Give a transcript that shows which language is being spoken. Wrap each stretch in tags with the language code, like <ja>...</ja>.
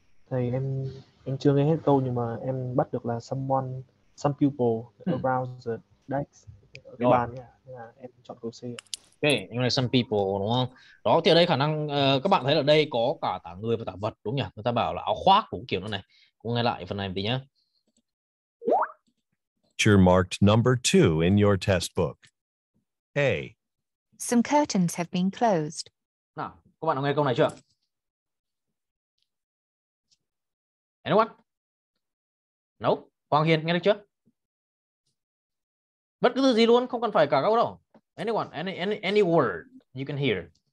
<vi>Thầy em chưa nghe hết câu nhưng mà em bắt được là</vi> <en>some people around the desk,</en> <vi>cái bàn nha, em chọn câu C. Ok, nhưng mà</vi> <en>some people</en> <vi>đúng không? Đó thì ở đây khả năng các bạn thấy là đây có cả tả người và tả vật đúng không nhỉ? Người ta bảo là áo khoác cũng kiểu này. Cũng nghe lại phần này một tí nhá.</vi> <en>You're marked number 2 in your test book. A. Some curtains have been closed.</en> <vi>Nào, các bạn đã nghe câu này chưa?</vi> <en>Anyone? No?</en> <vi>Hoàng Hiền nghe được chưa? Bất cứ thứ gì luôn, không cần phải cả câu đâu.</vi> <en>Anyone, any word you can hear.</en>